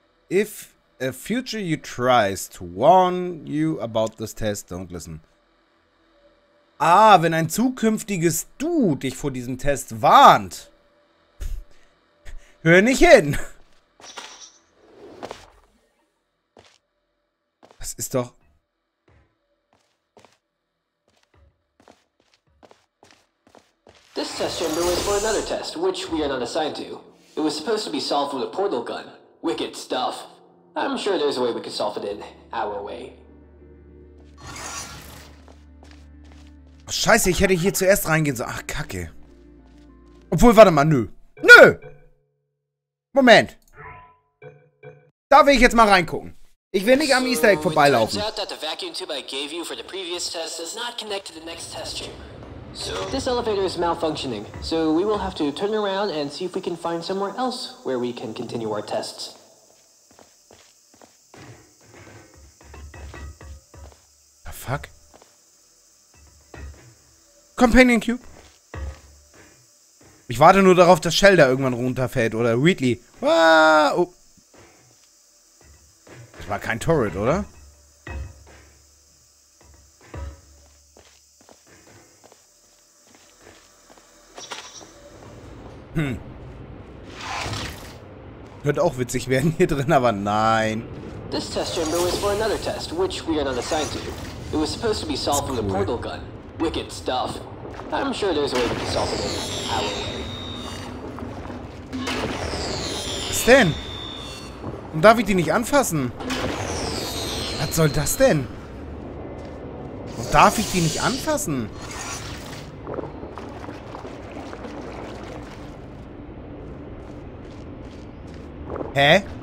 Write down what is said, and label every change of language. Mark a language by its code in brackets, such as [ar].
[en] If a future you tries to warn you about this test, don't listen. [de] Ah, wenn ein zukünftiges Du dich vor diesem Test warnt. Hör nicht hin. Das ist doch... [en] This test chamber was for another test, which we are not assigned to. It was supposed to be solved with a portal gun. Wicked stuff. I'm sure there's a way we could solve it in our way. [de] Oh, scheiße, ich hätte hier zuerst reingehen sollen. Ach, kacke. Obwohl, warte mal, nö. Nö! Moment. Da will ich jetzt mal reingucken. Ich will nicht am Easter Egg vorbeilaufen. [en] It turns out that the vacuum tube I gave you for the previous test does not connect to the next test chamber. So, this elevator is malfunctioning, so we will have to turn around and see if we can find somewhere else where we can continue our tests. The fuck? Companion Cube? [de] Ich warte nur darauf, dass Shell da irgendwann runterfällt, oder Wheatley. Ah, oh. Das war kein Turret, oder? Könnte auch witzig werden hier drin, aber nein. [en] This test chamber was for another test, which we are not assigned to. It was supposed to be solved with a portal gun. Wicked stuff. I'm sure there's a way to be solved with it. [de] Was denn? Und darf ich die nicht anfassen? Was soll das denn? Und darf ich die nicht anfassen? Hä?